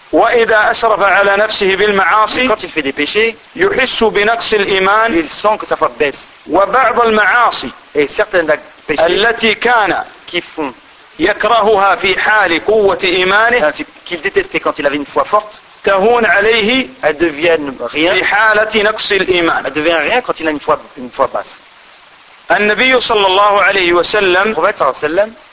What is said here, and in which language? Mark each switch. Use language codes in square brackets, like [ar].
[ar] وإذا أسرف على نفسه بالمعاصي [fr] quand il fait des péchés, [ar] يحس بنقص الإيمان [fr] il sent que ça fait baisse. [ar] وبعض المعاصي [fr] et certaines péchés [ar] التي كان [fr] qui font [ar] يكرهها في حال قوة إيمانه [fr] qu'il détestait quand il avait une foi forte [ar] تهون عليه [fr] elle devient rien [ar] في حالة نقص الإيمان [fr] elle devient rien quand il a une foi basse. [ar] النبي صلى الله عليه وسلم [fr] le prophète [ar] صلى الله عليه وسلم